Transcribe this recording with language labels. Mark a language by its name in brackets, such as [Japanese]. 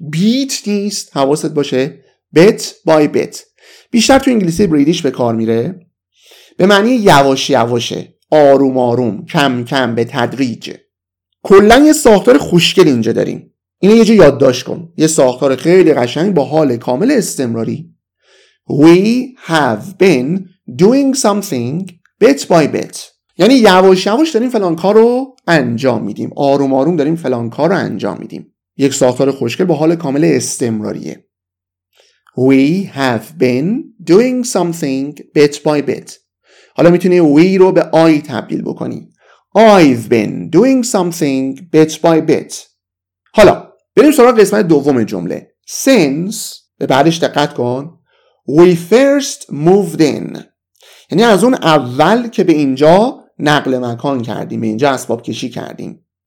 [Persian] بیت نیست، حواست باشه، [English] bit by bit. [Persian] بیشتر تو انگلیسی بریدیش به کار میره، به معنی یواش یواشه، آروم آروم، کم کم، به تدریج. کلن یه ساختار خوشگل اینجا داریم. اینو یه جا یادداشت کن، یه ساختار خیلی قشنگ با حال کامل استمراری. [English] We have been doing something bit by bit. [Persian] یعنی یواش یواش داریم فلان کار رو انجام میدیم، آروم آروم داریم فلان کار رو انجام میدیم. یک ساختار خوشگل با حال کامل استمراریه. [English] We have been doing something bit by bit. [Persian] حالا میتونی we رو به I تبدیل بکنی. [English] I've been doing something bit by bit. [Persian] حالا بریم سراغ قسمت دوم جمله. [English] Since، [Persian] به بعدش دقت کن، [English] We first moved in. [Persian] یعنی از اون اول که به اینجا نقل مکان کردیم، اینجا اسباب کشی کردیم.